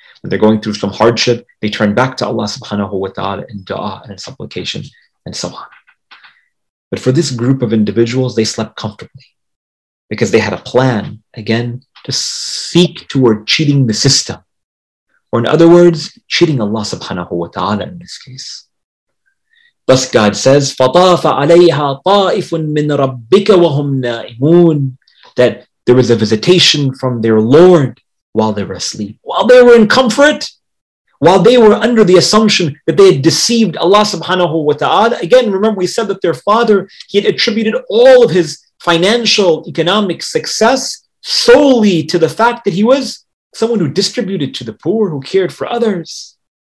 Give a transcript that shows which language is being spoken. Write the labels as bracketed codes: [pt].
[en] When they're going through some hardship, they turn back to Allah subhanahu wa ta'ala in dua and in supplication and so on. But for this group of individuals, they slept comfortably, because they had a plan, again, to seek toward cheating the system. Or in other words, cheating Allah subhanahu wa ta'ala in this case. Thus God says, [ar] فَطَافَ عَلَيْهَا طَائِفٌ مِّن رَبِّكَ وَهُمْ نَائِمُونَ. [en] That there was a visitation from their Lord while they were asleep. While they were in comfort. While they were under the assumption that they had deceived Allah subhanahu wa ta'ala. Again, remember we said that their father, he had attributed all of his financial, economic success solely to the fact that he was someone who distributed to the poor, who cared for others.